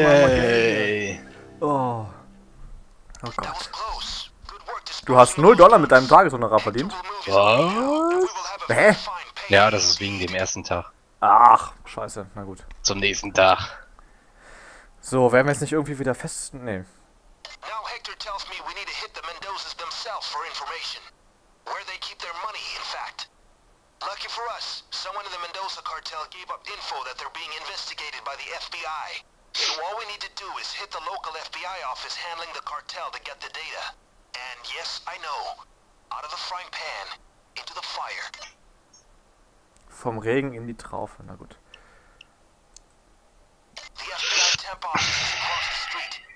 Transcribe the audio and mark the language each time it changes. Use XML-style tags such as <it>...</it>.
<de>want. Oh. Oh Gott. Du hast 0 Dollar mit deinem Tageshonorar verdient. Was? Hä? Ja, das ist wegen dem ersten Tag. Ach, scheiße, na gut. Zum nächsten Tag. So, werden wir jetzt nicht irgendwie wieder fest. Nee.</de> <en>Now Hector tells me we need to hit the Mendozas themselves for information. Where they keep their money, in fact. Lucky for us, someone in the Mendoza cartel gave up info that they're being investigated by the FBI. So all we need to do is hit the local FBI office handling the cartel to get the data. And yes, I know. Out of the frying pan, into the fire.</en> <de>Vom Regen in die Traufe, na gut.</de> <en>The FBI temp office is across the street.</en>